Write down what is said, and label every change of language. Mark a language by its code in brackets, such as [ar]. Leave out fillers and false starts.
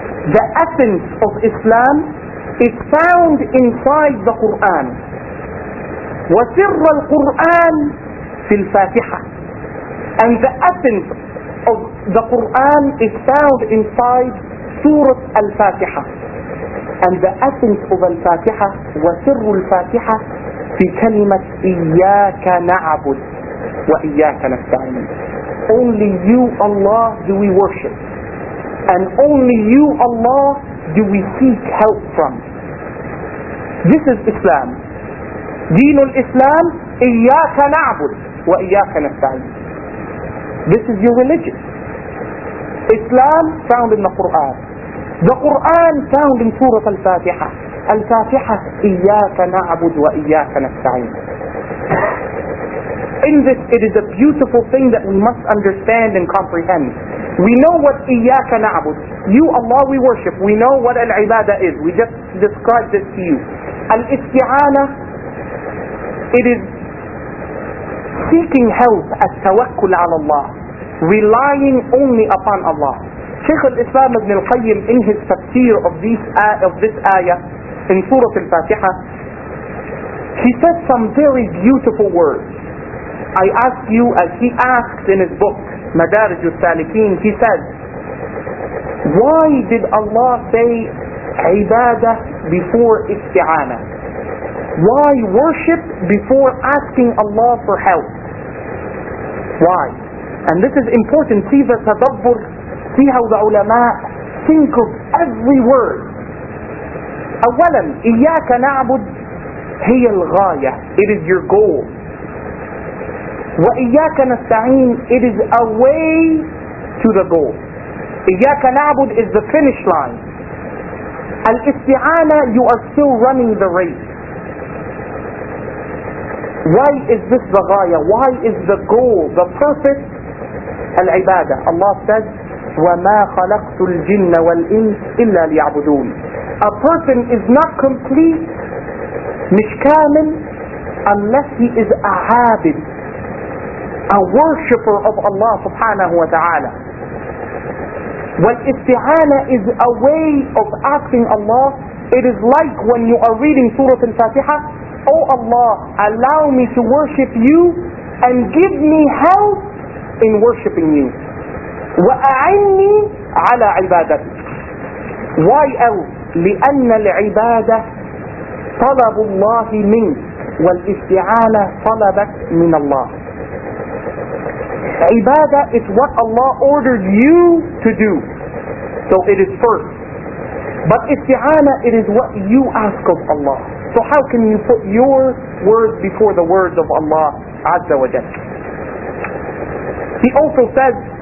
[en] The essence of Islam is found inside the Qur'an. [ar] وَسِرَّ الْقُرْآنِ فِي الْفَاتِحَةِ. [en] And the essence of the Qur'an is found inside Surah Al-Fatiha. And the essence of Al-Fatiha, [ar] وسر الفاتحة في كلمة إياك نعبد وإياك نستعين. [en] Only you Allah do we worship. And only you Allah do we seek help from. This is Islam. [ar] دين الإسلام إياك نعبد وإياك نستعين. [en] This is your religion. Islam found in the Quran. The Quran found in Surah Al-Fatiha. [ar] Al-Fatiha, إِيَّاكَ نَعْبُدُ وَإِيَّاكَ نَسْتَعِينُ. [en] In this, it is a beautiful thing that we must understand and comprehend. We know what [ar] إِيَّاكَ نَعْبُدُ. [en] You, Allah, we worship. We know what al-ibadah is. We just described this to you. Al-Isti'ana, it is seeking help, [ar] التوكل على الله. [en] Relying only upon Allah. Shaykh al-Islam ibn al-Qayyim in his tafsir of this ayah in Surah al-Fatiha, he said some very beautiful words. I ask you, as he asks in his book, Madarij al-Salikin, he said, why did Allah say ibadah before isti'ana? Why worship before asking Allah for help? Why? And this is important. See the tadabbur. See how the ulama think of every word. [ar] أولاً إياك نعبد هي الغاية. [en] It is your goal. [ar] وإياك نستعين. [en] It is a way to the goal. [ar] إياك نعبد [en] is the finish line. الاستعانة, you are still running the race. Why is this the غاية? Why is the goal, the purpose? [ar] العبادة. [en] Allah says, [ar] وَمَا خَلَقْتُ الْجِنَّ وَالْإِنْسِ إِلَّا لِيَعْبُدُونَ. [en] A person is not complete, [ar] مش كامل, [en] unless he is a عابد, a worshipper of Allah subhanahu wa ta'ala. والاستعانة is a way of asking Allah. It is like when you are reading Surah Al-Fatiha, oh Allah, allow me to worship you and give me help in worshipping you. [ar] وأعني على عبادتك. [en] Why else? [ar] لأن العبادة طلب الله منك والاستعانة طلبك من الله. [en] عبادة is what Allah ordered you to do. So it is first. But استعانة, it is what you ask of Allah. So how can you put your words before the words of Allah [ar] عز وجل? [en] He also says,